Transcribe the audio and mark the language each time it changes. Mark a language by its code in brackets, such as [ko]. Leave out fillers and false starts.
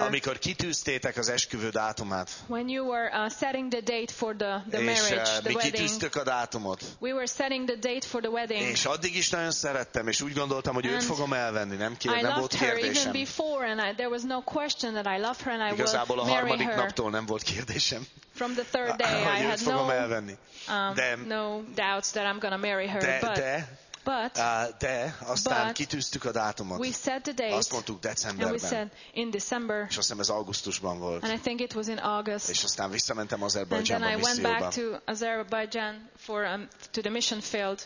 [hu] amikor kitűztétek az esküvő dátumát, [en] when you were setting the date for the [hu] és, [en] marriage, the [hu] mi kitűztük [en] wedding, [hu] a dátumot. [en] We were setting the date for the wedding. [hu] És addig is nagyon szerettem, és úgy gondoltam, hogy őt fogom elvenni, nem volt kérdésem. [en] Even before, and there was no question that I love her and I will marry [hu] A harmadik naptól nem volt kérdésem. [en] From the third day, I had no doubts that I'm gonna marry her. [hu] De aztán kitűztük a dátumot. [en] We set the date, [hu] azt mondtuk decemberben. [en] And we said in December, [hu] és azt hiszem ez augusztusban volt. [en] And I think it was in August, [hu] és aztán visszamentem Azerbajdzsánba misszióba. [en] And then I went back to Azerbaijan to the mission field.